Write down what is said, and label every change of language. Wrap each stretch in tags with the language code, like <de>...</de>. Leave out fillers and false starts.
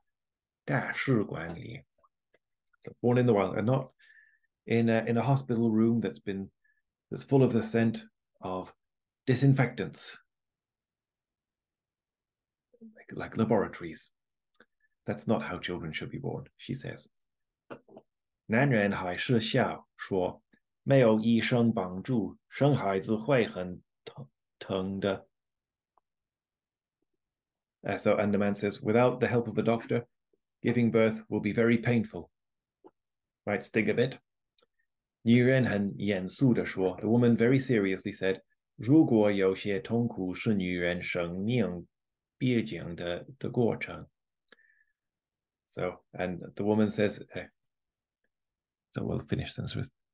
<zh>而不应该诞生在医院那种充满消毒药水气味的大使馆里.</zh> <en>So born in the wild, and not in a hospital room that's been that's full of the scent of disinfectants, like laboratories. That's not how children should be born, she says.</en> <zh>男人还是笑说，没有医生帮助，生孩子会很疼的。</zh> <en>So, and the man says, without the help of a doctor, giving birth will be very painful. Might sting a bit.</en> <zh>女人很严肃地说,</zh> <en>the woman very seriously said,</en> <zh>如果有些痛苦是女人生命必经的过程。</zh> <en>So, and the woman says, so we'll finish this with,</en>